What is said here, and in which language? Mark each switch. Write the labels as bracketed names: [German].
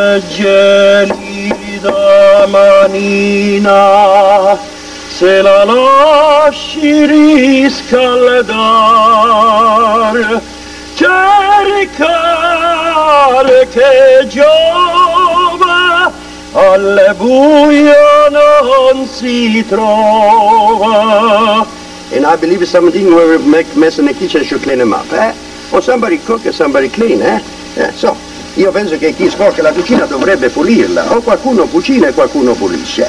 [Italian] Gelida manina, se la lasci riscaldar, cercare che giova, al buio non si trova. [English] And I believe something where we make mess in the kitchen should clean them up, eh? Or somebody cook and somebody clean, eh? [Italian] Yeah, so, io penso che chi sporca la cucina dovrebbe pulirla, o qualcuno cucina e qualcuno pulisce.